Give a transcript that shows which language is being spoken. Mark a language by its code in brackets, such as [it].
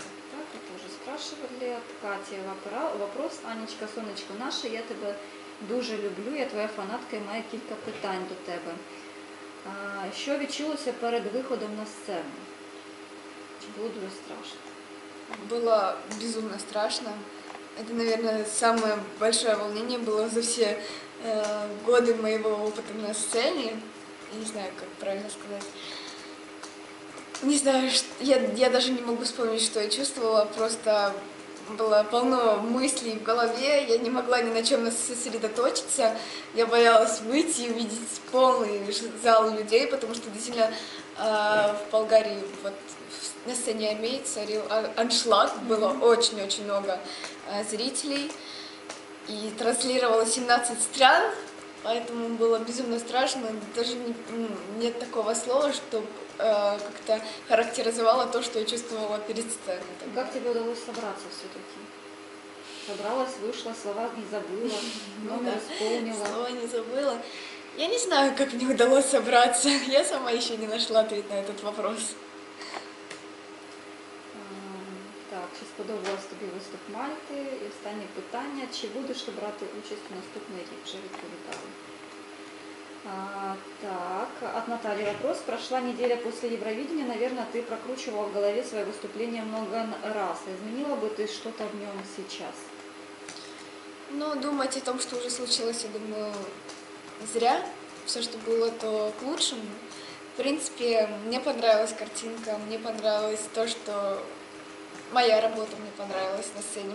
[ru] Так, это уже спрашивали от Кати. [uk] Вопрос, Анечка, сонечко наше, я тебе дуже люблю, я твоя фанатка і маю кілька питань до тебе. Що відчулося перед виходом на сцену? Чи було дуже страшно? [ru] Було безумно страшно. [uk] Це, [ru] наверное, самое большое волнение [uk] було за всі [ru] годы моего опыта на сцене. Не знаю, как правильно сказать. Не знаю, я даже не могу вспомнить, что я чувствовала, просто было полно мыслей в голове, я не могла ни на чем сосредоточиться, я боялась выйти и увидеть полный зал людей, потому что действительно в Болгарии вот, на сцене Амей царил аншлаг, было очень-очень много зрителей, и транслировало 17 стран, поэтому было безумно страшно, даже нет такого слова, чтобы как-то характеризовала то, что я чувствовала перед сценой. Там. Как тебе удалось собраться все-таки? Собралась, вышла, слова не забыла, много исполнила. Слова не забыла. Я не знаю, как мне удалось собраться. Я сама еще не нашла ответ на этот вопрос. [uk] Так, чи сподобалось тобі виступ Мальти? І останнє питання. Чи будеш ти брати участь у наступний рік? Вже відповідали. [ru] Так, от Натальи вопрос. Прошла неделя после Евровидения, наверное, ты прокручивала в голове свое выступление много раз. Изменила бы ты что-то в нем сейчас? Ну, думать о том, что уже случилось, я думаю, зря. Все, что было, то к лучшему. В принципе, мне понравилась картинка, мне понравилось то, что моя работа мне понравилась на сцене.